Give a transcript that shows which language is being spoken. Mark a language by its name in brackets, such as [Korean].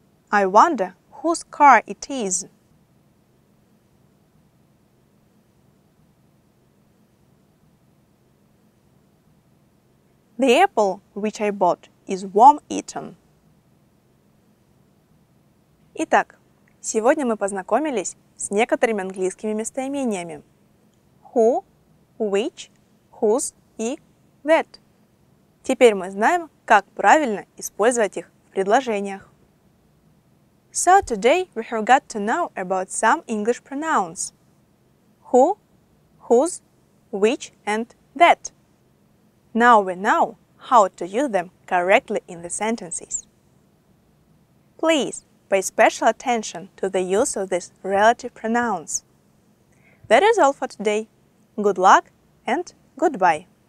[English] I wonder whose car it is. The apple which I bought is warm eaten. [Russian] Итак, сегодня мы познакомились с некоторыми английскими местоимениями. [English] Who, which, whose и that. [Russian] Теперь мы знаем, как правильно использовать их в предложениях. [English] So today we have got to know about some English pronouns. Who, whose, which and that. Now we know how to use them correctly in the sentences. Please pay special attention to the use of these relative pronouns. That is all for today. Good luck and goodbye.